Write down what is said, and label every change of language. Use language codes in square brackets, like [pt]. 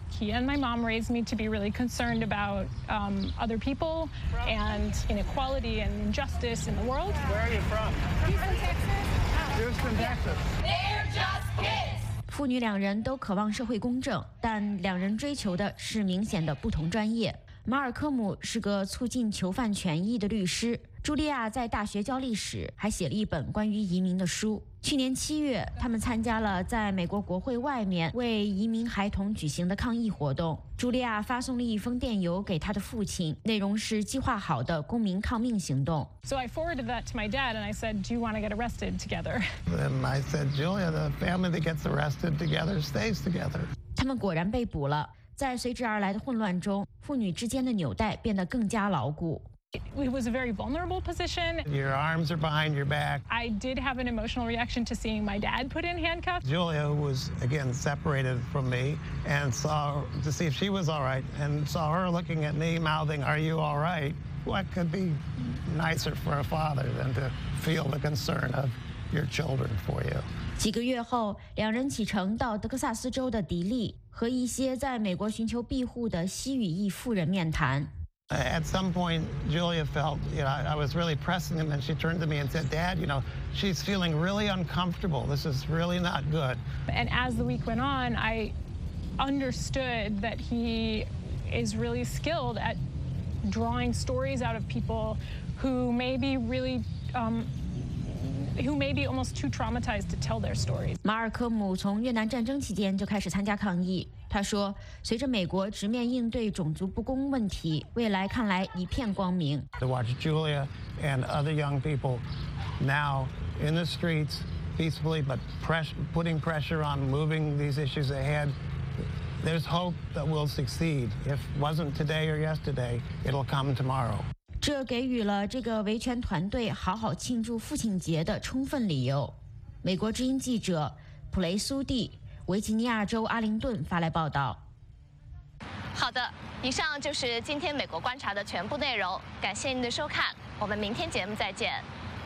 [en] He and my mom raised me to be really concerned about other people and inequality and injustice in the world. Where are you from? Houston, Texas. Houston, Texas. They're just kids. [zh] 父女两人都渴望社会公正，但两人追求的是明显的不同专业。马尔科姆是个促进囚犯权益的律师，茱莉亚在大学教历史，还写了一本关于移民的书。去年七月，他们参加了在美国国会外面为移民孩童举行的抗议活动。茱莉亚发送了一封电邮给他的父亲，内容是计划好的公民抗命行动。 [en] So I forwarded that to my dad and I said, do you want to get arrested together? And I said, Julia, the family that gets arrested together stays together. [zh] 他们果然被捕了。在随之而来的混乱中，妇女之间的纽带变得更加牢固。 [en] It was a very vulnerable position. Your arms are behind your back. I did have an emotional reaction to seeing my dad put in handcuffs. Julia was again separated from me and saw to see if she was all right and saw her looking at me mouthing, are you all right? What could be nicer for a father than to feel the concern of your children for you? [zh] 几个月后，两人启程到德克萨斯州的迪利，和一些在美国寻求庇护的西语裔妇人面谈。 [en] At some point, Julia felt, you know, I was really pressing him, and she turned to me and said, Dad, you know, she's feeling really uncomfortable. This is really not good. And as the week went on, I understood that he is really skilled at drawing stories out of people who may be really, who may be almost too traumatized to tell their stories. [zh] 马尔科姆从越南战争期间就开始参加抗议。他说，随着美国直面应对种族不公问题，未来看来一片光明。 [en] To watch Julia and other young people now in the streets peacefully, but putting pressure on moving these issues ahead, there's hope that we'll succeed. If it wasn't today or yesterday, it'll come tomorrow. [zh] 这给予了这个维权团队好好庆祝父亲节的充分理由。美国之音记者普雷苏蒂，维吉尼亚州阿灵顿发来报道。好的，以上就是今天美国观察的全部内容，感谢您的收看，我们明天节目再见。